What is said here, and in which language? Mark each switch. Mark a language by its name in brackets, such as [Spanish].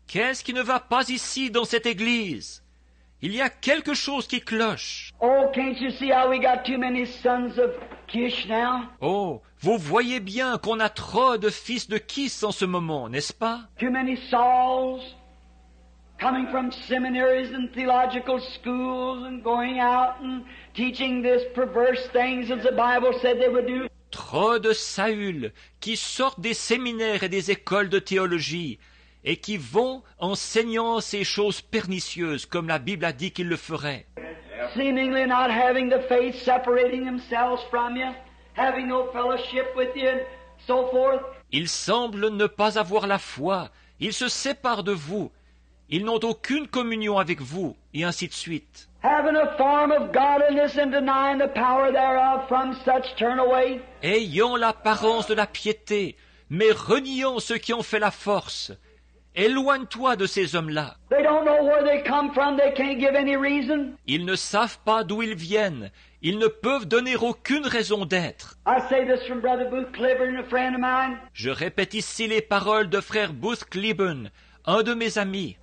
[French] Qu'est-ce qui ne va pas ici dans cette église? Il y a quelque chose qui cloche. [English] Oh, can't you see how we got too many sons of Kish now? [French] Oh, vous voyez bien qu'on a trop de fils de Kish en ce moment, n'est-ce pas? [English] Too many Sauls coming from seminaries and theological schools and going out and teaching this perverse things as the Bible said they would do. [French] Trop de Saül qui sortent des séminaires et des écoles de théologie et qui vont enseignant ces choses pernicieuses comme la Bible a dit qu'ils le feraient. [English] Seemingly not having the faith, separating themselves from you, having no fellowship with you, and so forth. [French] Ils semblent ne pas avoir la foi. Ils se séparent de vous. Ils n'ont aucune communion avec vous, et ainsi de suite. [English] Having a form of godliness and denying the power thereof, from such turn away. [French] Ayant l'apparence de la piété, mais reniant ce qui en fait la force. Éloigne-toi de ces hommes-là. [English] They don't know where they come from. They can't give any reason. [French] Ils ne savent pas d'où ils viennent. Ils ne peuvent donner aucune raison d'être. [English] I say this from Brother Booth Cliburn, a friend of mine. [French] Je répète ici les paroles de frère Booth Cliburn, un de mes amis.